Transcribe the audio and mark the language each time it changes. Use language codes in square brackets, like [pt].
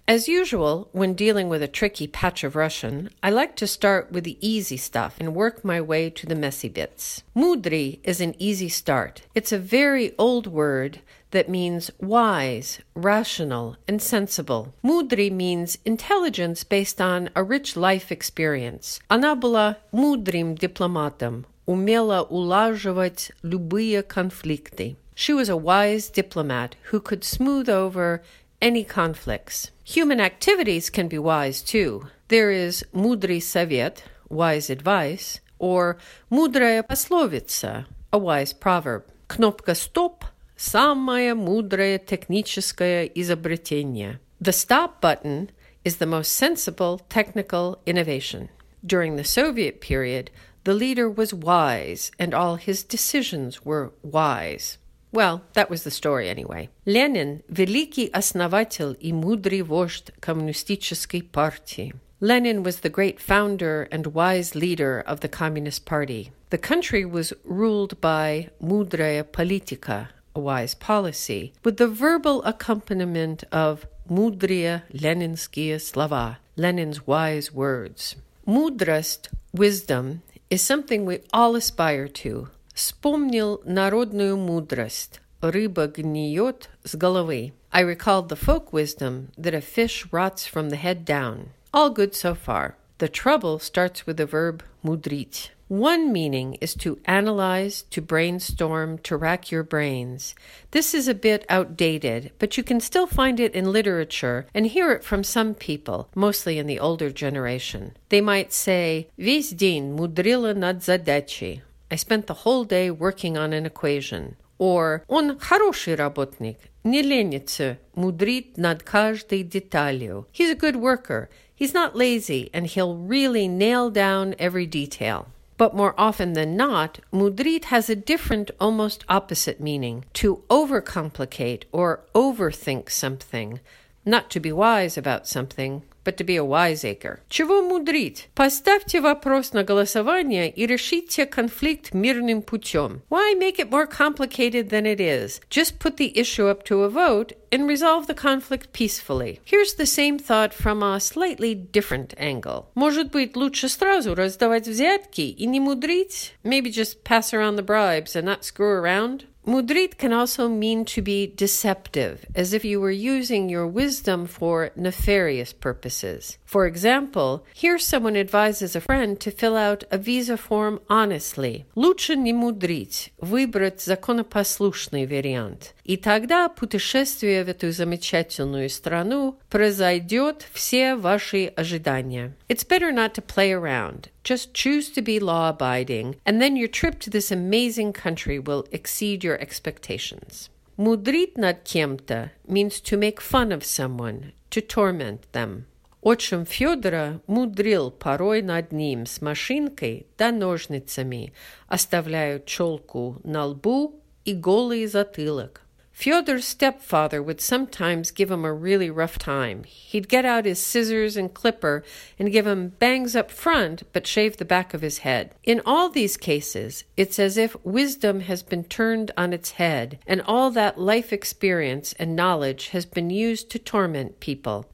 [en] As usual, when dealing with a tricky patch of Russian, I like to start with the easy stuff and work my way to the messy bits. Mudry is an easy start. It's a very old word that means wise, rational, and sensible. Mudry means intelligence based on a rich life experience. [ru] Она была мудрым дипломатом. Умела улаживать любые конфликты. [en] She was a wise diplomat who could smooth over any conflicts. Human activities can be wise too. There is [ru] мудрый совет, [en] wise advice, or [ru] мудрая пословица, [en] a wise proverb. [ru] Кнопка стоп – самое мудрое техническое изобретение. [en] The stop button is the most sensible technical innovation. During the Soviet period, the leader was wise, and all his decisions were wise. Well, that was the story anyway. [ru] Lenin, великий основатель и мудрый вождь коммунистической партии. [en] Lenin was the great founder and wise leader of the Communist Party. The country was ruled by [ru] мудрая политика, [en] a wise policy, with the verbal accompaniment of [ru] мудрые ленинские слова, [en] Lenin's wise words. Мудрость, wisdom, is something we all aspire to. [ru] Вспомнил народную мудрость. Рыба гниет с головы. [en] I recalled the folk wisdom that a fish rots from the head down. All good so far. The trouble starts with the verb мудрить. One meaning is to analyze, to brainstorm, to rack your brains. This is a bit outdated, but you can still find it in literature and hear it from some people, mostly in the older generation. They might say, [ru] весь день мудрила над задачей. [en] I spent the whole day working on an equation. [ru] Or, он хороший работник, не ленится мудрить над каждой деталью. [en] He's a good worker, he's not lazy, and he'll really nail down every detail. But more often than not, мудрить has a different, almost opposite meaning, to overcomplicate or overthink something, not to be wise about something, but to be a wiseacre. [ru] Чего мудрить? Поставьте вопрос на голосование и решите конфликт мирным путем. [en] Why make it more complicated than it is? Just put the issue up to a vote and resolve the conflict peacefully. Here's the same thought from a slightly different angle. [ru] Может быть, лучше сразу раздавать взятки и не мудрить? [en] Maybe just pass around the bribes and not screw around? Мудрить can also mean to be deceptive, as if you were using your wisdom for nefarious purposes. For example, here someone advises a friend to fill out a visa form honestly. [ru] Лучше не мудрить, выбрать законопослушный вариант. И тогда путешествие в эту замечательную страну произойдет все ваши ожидания. [en] It's better not to play around. Just choose to be law-abiding, and then your trip to this amazing country will exceed your expectations. [ru] Мудрить над кем-то [en] means to make fun of someone, to torment them. [ru] Отчим Фёдора мудрил порой над ним с машинкой да ножницами, оставляя чёлку на лбу и голый затылок. [en] Fyodor's stepfather would sometimes give him a really rough time. He'd get out his scissors and clipper and give him bangs up front, but shave the back of his head. In all these cases, it's as if wisdom has been turned on its head, and all that life experience and knowledge has been used to torment people.